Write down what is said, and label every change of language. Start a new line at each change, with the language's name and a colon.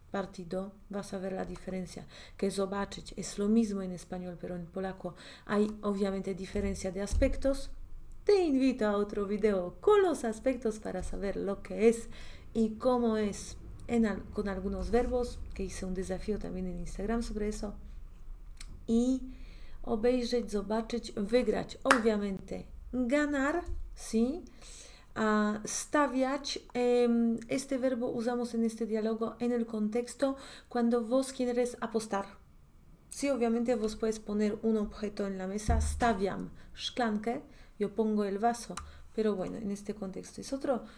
Spanish: Partido, vas a ver la diferencia, que zobaczyć es lo mismo en español, pero en polaco hay obviamente diferencia de aspectos. Te invito a otro video con los aspectos para saber lo que es y cómo es con algunos verbos, que hice un desafío también en Instagram sobre eso. Y obejrzeć, zobaczyć, wygrać, obviamente ganar, ¿sí? Stawiać, este verbo usamos en este diálogo en el contexto cuando vos quieres apostar. Sí, obviamente vos puedes poner un objeto en la mesa,
Polish: stawiam szklankę,
Spanish: yo pongo el vaso, pero bueno, en este contexto es otro.